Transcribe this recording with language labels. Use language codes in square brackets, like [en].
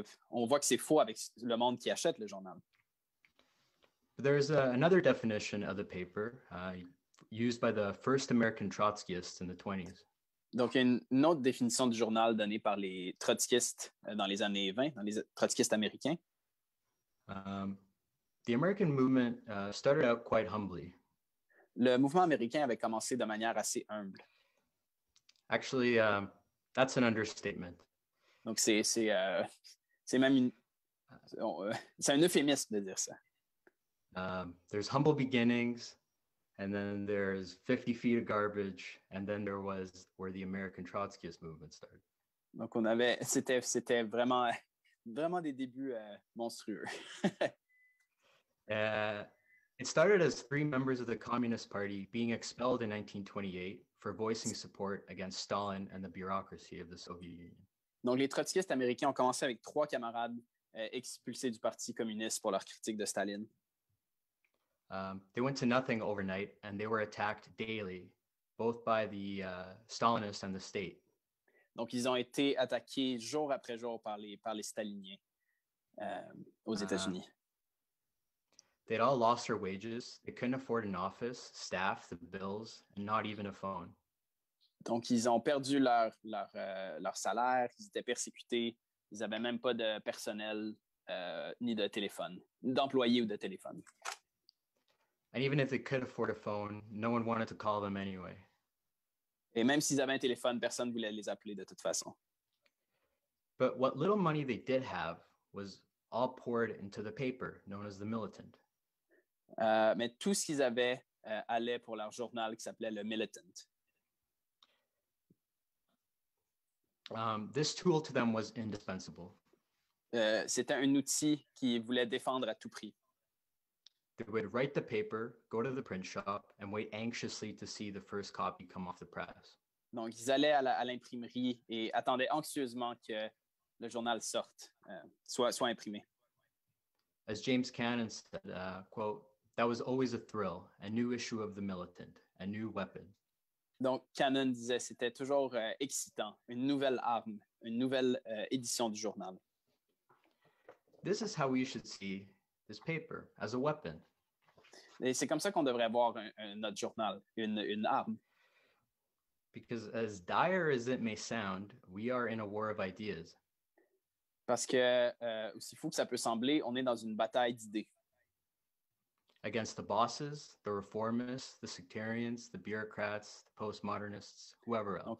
[fr] On voit que c'est faux avec le monde qui achète le journal. [en] There's another definition of the paper used by the first American Trotskyists in the 20s. [fr] Donc, il y a une autre définition du journal donnée par les Trotskyistes dans les années 20, dans les Trotskyistes américains. [en] The American movement started out quite humbly. [fr] Le mouvement américain avait commencé de manière assez humble. [en] Actually, that's an understatement. [fr] Donc, c'est même c'est un euphémisme de dire ça. [en] There's humble beginnings, and then there's 50 feet of garbage, and then there was where the American Trotskyist movement started. [fr] Donc, on avait, c'était vraiment, vraiment des débuts monstrueux. [en] It started as three members of the Communist Party being expelled in 1928 for voicing support against Stalin and the bureaucracy of the Soviet Union. [fr] Donc, les Trotskyistes américains ont commencé avec trois camarades expulsés du Parti communiste pour leur critique de Staline. [en] They went to nothing overnight, and they were attacked daily, both by the Stalinists and the state. [fr] Donc, ils ont été attaqués jour après jour par les Staliniens aux États-Unis. [en] They'd all lost their wages. They couldn't afford an office, staff, the bills, and not even a phone. [fr] Donc, ils ont perdu leur salaire. Ils étaient persécutés. Ils n'avaient même pas de personnel ni de téléphone, d'employé ou de téléphone. [en] And even if they could afford a phone, no one wanted to call them anyway. [fr] Et même s'ils avaient un téléphone, personne ne voulait les appeler de toute façon. [en] But what little money they did have was all poured into the paper, known as the Militant. [fr] Mais tout ce qu'ils avaient allait pour leur journal qui s'appelait le Militant. [en] This tool to them was indispensable. [fr] C'était un outil qu'ils voulaient défendre à tout prix. [en] They would write the paper, go to the print shop, and wait anxiously to see the first copy come off the press. [fr] Donc, ils allaient à l'imprimerie et attendaient anxieusement que le journal sorte, soit imprimé. [en] As James Cannon said, quote, "That was always a thrill, a new issue of the Militant, a new weapon." [fr] Donc, Cannon disait, c'était toujours excitant, une nouvelle arme, une nouvelle édition du journal. [en] This is how you should see this paper, as a weapon. [fr] Et c'est comme ça qu'on devrait voir notre journal, une arme. [en] Because as dire as it may sound, we are in a war of ideas. [fr] Parce que, aussi fou que ça peut sembler, on est dans une bataille d'idées. [en] Against the bosses, the reformists, the sectarians, the bureaucrats, the postmodernists, whoever else.